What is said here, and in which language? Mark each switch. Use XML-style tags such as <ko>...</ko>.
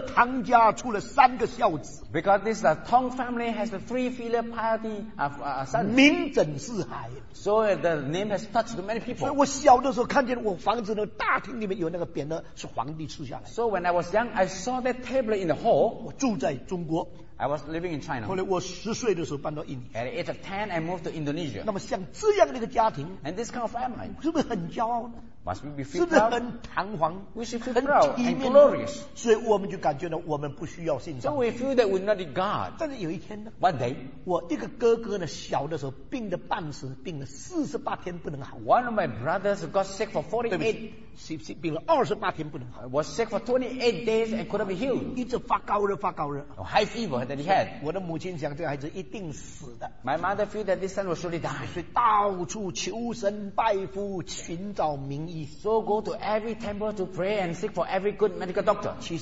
<zh>这个唐家出了三个孝子。</zh> <en>Because this Tong family has the three filial piety of sons.</en> <zh>名震四海。</zh> <en>So the name has touched many people.</en> <zh>所以我小的时候看见我房子的大厅里面有那个匾额是皇帝赐下来。</zh> <en>So when I was young, I saw that tablet in the hall.</en> <zh>我住在中国。</zh> <en>I was living in China.</en> <zh>后来我10岁的时候搬到印尼。</zh> <en>At the age of 10, I moved to Indonesia.</en> <zh>那么像这样的一个家庭,</zh> <en>and this kind of family,</en> <zh>是不是很骄傲呢?</zh> <en>Must we be feel proud?</en> <zh>是不是很堂皇,</zh> <en>we should feel proud and glorious.</en> <zh>所以我们就感觉到我们不需要信上帝。</zh> <en>So we feel that we're not in God.</en> <zh>但是有一天呢,</zh> <en>One day,</en> <zh>我一个哥哥呢, 小的时候, 病得半死, 病了48天不能好。</zh> <en>One of my brothers got sick for 48,</en> <zh>对不起, 病了28天不能好。</zh> <en>Was sick for 28 days and couldn't be healed.</en> <zh>一直发高热。</zh> <en>High fever that he had.</en> <zh>我的母亲想这个孩子一定死的。</zh> <en>My mother feel that this son will surely die.</en> <zh>所以到处求神拜父, 寻找名。</zh> <en>So go to every temple to pray and seek for every good medical doctor.</en>